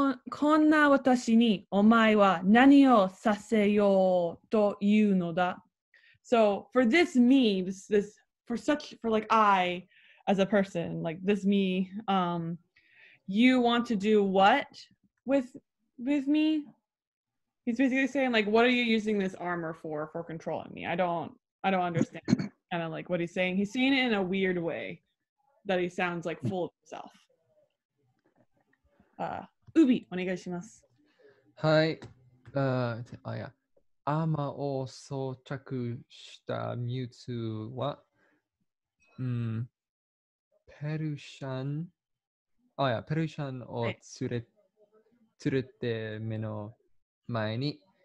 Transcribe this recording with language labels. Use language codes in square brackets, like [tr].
[ja] こんな私にお前は何をさせようというのだ? [en] So for this me, this for such for like I as a person, like this me, you want to do what with me? He's basically saying like, what are you using this armor for controlling me? I don't understand. Kind of like what he's saying. He's saying it in a weird way that he sounds like full of himself. [ja] Ubi, お願いします。はい。アーマーを装着したミュウツーは、ペルシャンを連れて目の前に、